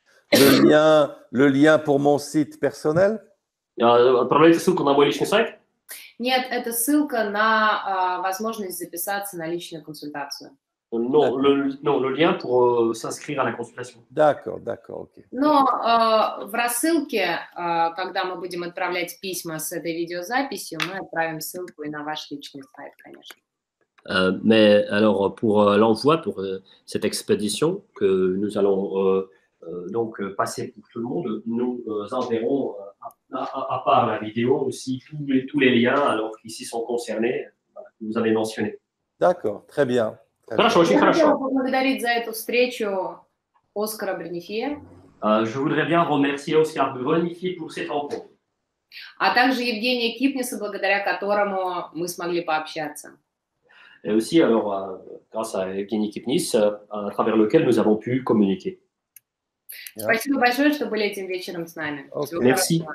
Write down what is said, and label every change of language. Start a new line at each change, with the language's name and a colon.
French: Le lien pour mon site personnel?
Russian: Отправляйте ссылку на мой личный сайт? Нет, это ссылка на возможность записаться на личную консультацию.
French: Non, le lien pour s'inscrire à la consultation. D'accord, ok.
Russian: Но в рассылке, когда мы будем отправлять письма с этой видеозаписью, мы отправим ссылку и на ваш личный сайт, конечно.
French: Mais alors pour l'envoi pour cette expédition que nous allons donc passer pour tout le monde, nous enverrons à part la vidéo aussi tous les liens alors qui s'y sont concernés, que vous avez mentionné. D'accord, très bien.
Russian: Хорошо, очень Я хорошо. Я хотел поблагодарить за эту встречу Оскара Бренефье.
French: Je voudrais bien remercier Oscar Bruniffier pour cette rencontre.
Russian: А также Евгения Кипниса, благодаря которому мы смогли пообщаться.
French: Et aussi, alors, grâce à Евгений Кипнис, à travers lequel nous avons pu communiquer.
Russian: Спасибо
English: yeah.
Russian: большое, что были этим вечером с нами.
English: Okay.
French: Merci
Russian: хорошо.